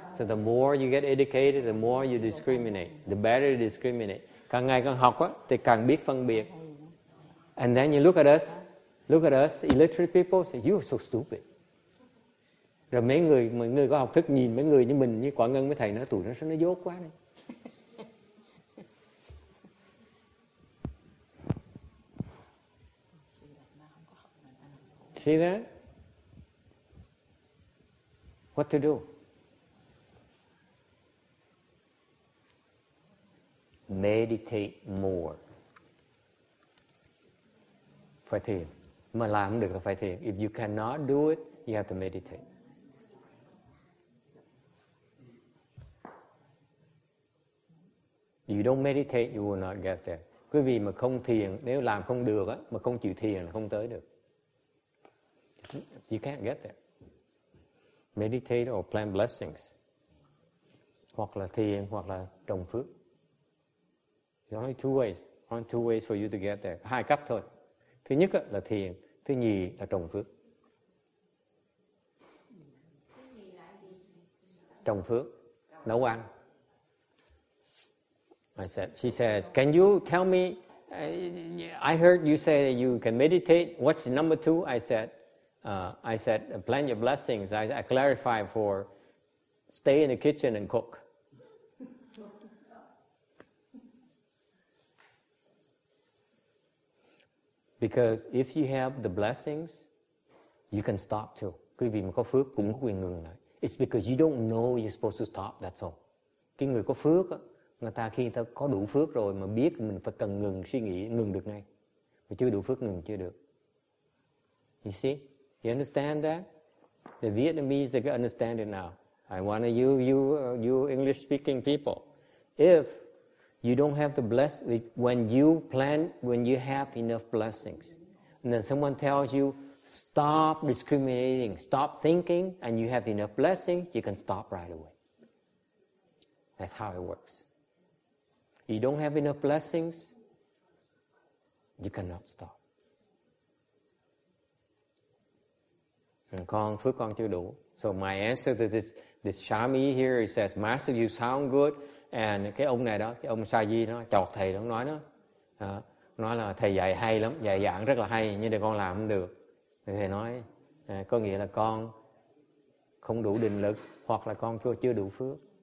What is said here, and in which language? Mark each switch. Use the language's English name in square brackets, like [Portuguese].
[English] So the more you get educated, the more you discriminate. The better you discriminate. [Vietnamese] Càng ngày càng học á, thì càng biết phân biệt. [English] And then you look at us. Look at us, illiterate people say, you are so stupid. [Vietnamese] Rồi mấy người có học thức nhìn mấy người như mình, như Quảng Ngân với thầy nói, tụi nó sao nó dốt quá đây. [English] See that? What to do? Meditate more. [Vietnamese] Phải thiền. Mà làm không được là phải thiền. [English] If you cannot do it, you have to meditate. You don't meditate, you will not get there. [Vietnamese] Quý vị mà không thiền, nếu làm không được á, mà không chịu thiền là không tới được. [English] You can't get there. Meditate or plant blessings. [Vietnamese] Hoặc là thiền, hoặc là trồng phước. [English] There are only two ways. Only two ways for you to get there. [Vietnamese] Hai cách thôi. Thứ nhất là thiền. Thứ nhì là trồng phước. Trồng phước. Nấu ăn. [English] I said, she says, can you tell me, I heard you say that you can meditate. What's number two? I said, plant your blessings. I clarify for stay in the kitchen and cook. Because if you have the blessings, you can stop too. [Vietnamese] Quý vị mà có phước cũng có quyền ngừng lại. [English] It's because you don't know you're supposed to stop, that's all. [Vietnamese] Cái người có phước, người ta khi người ta có đủ phước rồi mà biết mình phải cần ngừng suy nghĩ, ngừng được ngay. Mà chưa đủ phước ngừng chưa được. [English] You see? You understand that? The Vietnamese understand it now. I want you English-speaking people. If you don't have the blessing, when you plan, when you have enough blessings, and then someone tells you, stop discriminating, stop thinking, and you have enough blessings, you can stop right away. That's how it works. You don't have enough blessings, you cannot stop. So my answer to this Shami here, he says, Master, you sound good. [Vietnamese] And cái ông này đó, cái ông Sa-di đó, chọc thầy đó, nói đó. Nói là thầy dạy hay lắm, dạy giảng rất là hay, nhưng mà con làm không được. Thầy nói, có nghĩa là con không đủ định lực, hoặc là con chưa đủ phước.